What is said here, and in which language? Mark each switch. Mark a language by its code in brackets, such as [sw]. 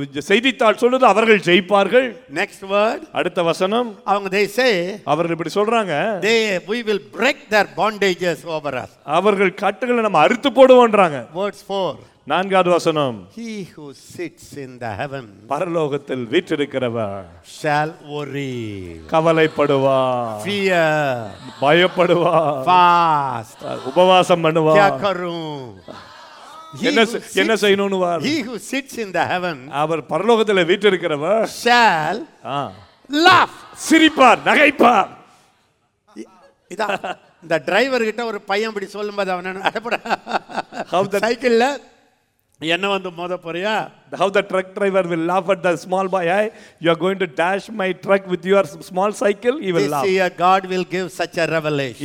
[ta] செய்தித்தாள் சொல்லுது அவர்கள் ஜெயிப்பார்கள். [en] Next word, [ta] அடுத்த வசனம், அவங்க [en] they say, [ta] அவர்கள் இப்படி சொல்றாங்க, [en] they we will break their bondages over us, [ta] அவர்கள் கட்டுகளை நம்ம அறுத்து போடுவோம்ன்றாங்க. [en] Words 4, [ta] நான்காவது வசனம், [en] he who sits in the heaven, [ta] பரலோகத்தில் வீற்றிருக்கிறவர், [en] shall worry, [ta] கவலைப்படுவார், [en] fear, [ta] பயப்படுவார், [en] fast, [ta] உபவாசம் பண்ணுவார், கேக்கறோம் என்ன செய்யணும். [en] He who sits in the heaven, [ta] அவர் பரலோகத்தில் வீற்றிருக்கிறவர், [en] shall laugh, [ta] சிரிப்பார், நகைப்பார். இந்த டிரைவர் கிட்ட ஒரு பையன் இப்படி சொல்லும்போது, அவன் சைக்கிள்ல என்ன வந்து மோத போறியா? [en] How the truck driver will laugh at the small boy, hey, you are going to dash my truck with your small cycle, he will laugh. This year God will give such a revelation,